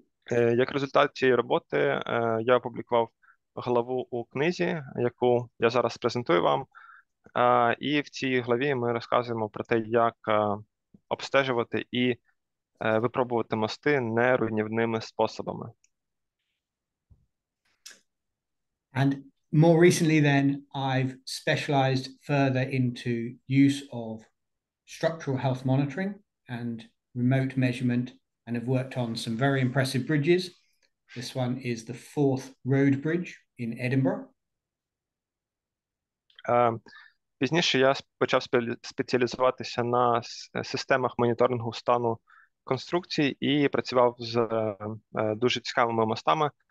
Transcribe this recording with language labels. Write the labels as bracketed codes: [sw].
[uk] Як результат цієї роботи, я опублікував главу у книзі, яку я зараз презентую вам. І в цій главі ми розказуємо про те, як обстежувати і випробувати мости неруйнівними способами. [en] And more recently then, I've specialized further into use of structural health monitoring and remote measurement, and have worked on some very impressive bridges. This one is the 4th road bridge in Edinburgh. [uk] Пізніше я почав спеціалізуватися на системах моніторингу стану конструкції і працював з дуже цікавими мостами.